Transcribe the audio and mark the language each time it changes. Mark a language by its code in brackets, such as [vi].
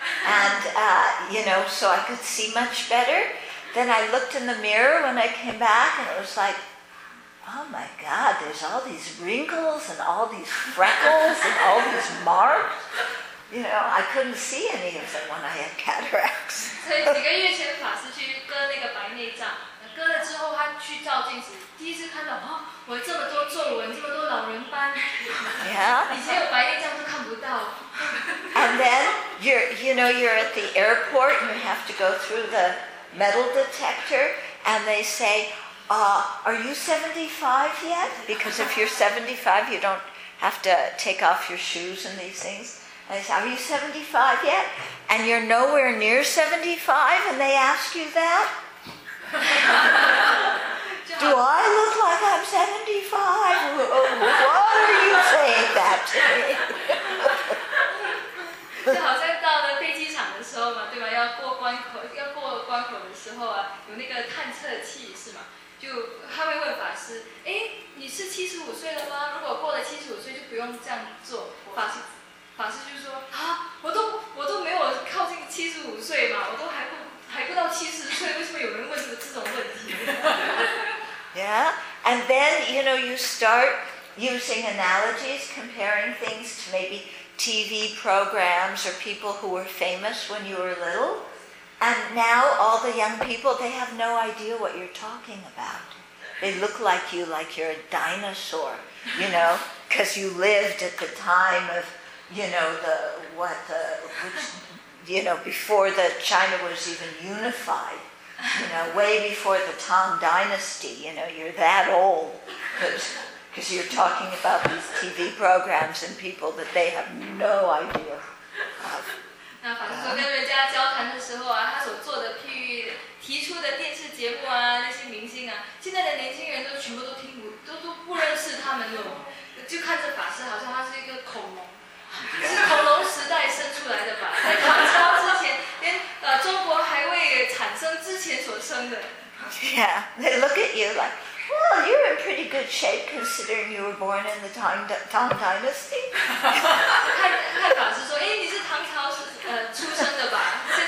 [en] And, you know, so I could see much better. Then I looked in the mirror when I came back and it was like, oh my God, there's all these wrinkles and all these freckles and all these marks. You know, I couldn't see any of them when I had cataracts. [zh] 所以几个月前法师去割那个白内障，割了之后他去照镜子，第一次看到，哦，我这么多皱纹，这么多老人斑。 [en] Yeah. [zh] 以前有白内障都看不到。 [en] And then, you're at the airport and you have to go through the metal detector and they say, are you 75 yet? Because if you're 75, you don't have to take off your shoes and these things. And they say, are you 75 yet? And you're nowhere near 75 and they ask you that? Do I look like I'm 75? What are you saying that to me? [zh] 就好像到了飞机场的时候嘛，对吧？要过关口的时候啊，有那个探测器是吗？就他会问法师，哎，你是75岁了吗？如果过了75岁，就不用这样做。法师就说啊，我都没有靠近75岁嘛，我都还不到70岁，为什么有人问这种问题 [en] ？Yeah, and then you know you start using analogies, comparing things to maybe. TV programs or people who were famous when you were little. And now all the young people, they have no idea what you're talking about. They look like you, like you're a dinosaur, you know, because you lived at the time of, you know, before the China was even unified, you know, way before the Tang Dynasty, you know, you're that old. Because you're talking about these TV programs and people that they have no idea of. [zh] 那法师说跟人家交谈的时候啊，他所做的譬喻、提出的电视节目啊，那些明星啊，现在的年轻人都全部都听不，都不认识他们了，就看着法师好像他是一个恐龙，是恐龙时代生出来的吧？在唐朝之前，连中国还未产生之前所生的。 [en] Yeah, they look at you like. Well, you're in pretty good shape considering you were born in the Tang Dynasty. [zh] 看法师说，哎，你是唐朝出生的吧？